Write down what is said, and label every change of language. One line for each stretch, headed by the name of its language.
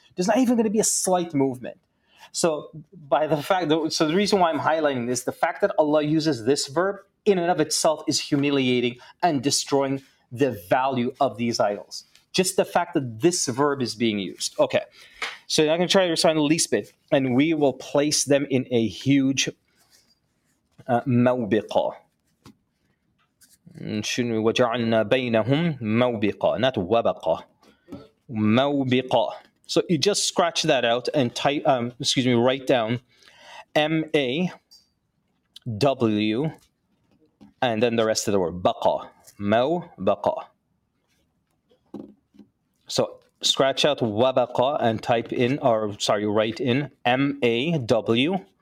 English: There's not even going to be a slight movement. So the reason why I'm highlighting this, the fact that Allah uses this verb in and of itself is humiliating and destroying the value of these idols. Just the fact that this verb is being used. Okay, so I'm going to try to respond the least bit, and we will place them in a huge مَوْبِقَ.
Arabic: وَجَعَلْنَا بَيْنَهُمْ مَوْبِقَ,
English: not
Arabic: وَبَقَ. مَوْبِقَ.
English: So you just scratch that out and type, write down M-A-W and then the rest of the word.
Arabic: بَقَ. مَوْبَقَ.
English: So scratch out وَبَقَ and write in M-A-W.